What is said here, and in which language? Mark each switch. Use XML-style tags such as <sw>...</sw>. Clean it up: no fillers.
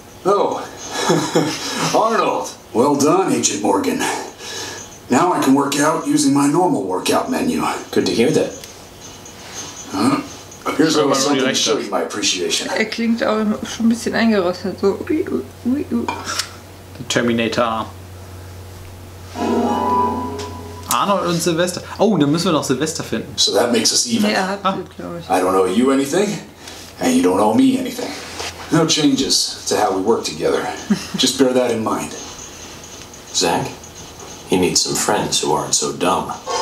<en>Oh, Arnold. Well done, Agent Morgan. Now I can work out using my normal workout menu. Good to hear that. Huh? Here's something to show you my appreciation.</en> <de>Er klingt auch schon ein bisschen eingerostet, so. The Terminator. Arnold und Sylvester. Oh, dann müssen wir noch Sylvester finden.</de> <en>So that makes us even.</en> <de>Ja, glaube ich.</de> <en>I don't owe you anything, and you don't owe me anything. No changes to how we work together. Just bear that in mind. Zack, he needs some friends who aren't so dumb.</en>